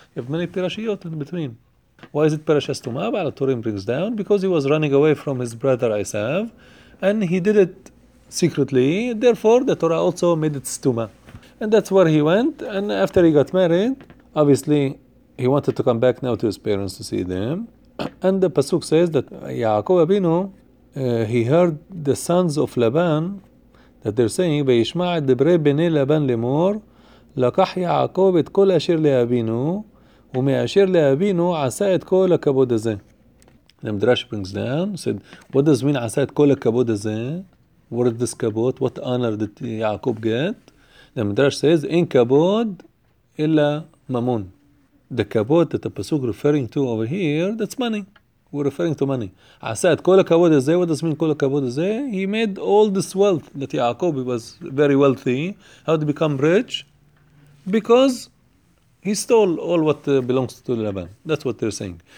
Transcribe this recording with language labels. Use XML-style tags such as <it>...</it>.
<en>You have many parashiyot in between. Why is it parasha stuma? Baal HaTorim brings down because he was running away from his brother Esav, and he did it secretly. Therefore, the Torah also made it stuma, and that's where he went. And after he got married, obviously, he wanted to come back now to his parents to see them. And the Pasuk says that Yaakov Abinu, he heard the sons of Laban, that they're saying,</en> <he>וישמע את דברי בני לבן למור, לקח יעקב את כל אשר לאבינו, ומאשר לאבינו עשה את כל הכבוד הזה.</he> <en>The Midrash brings down, said, what does mean</en> <he>עשה את כל הכבוד הזה?</he> <en>What is this כבוד? What honor did Yaakov get? The Midrash says,</en> <he>אין כבוד אלא ממון.</he> <en>The kabod that the pasuk referring to over here, that's money. We're referring to money. Asad kol kabod is there. What does mean kol kabod is there? He made all this wealth that Yaakov was very wealthy. How did he become rich? Because he stole all what belongs to Laban. That's what they're saying.</en>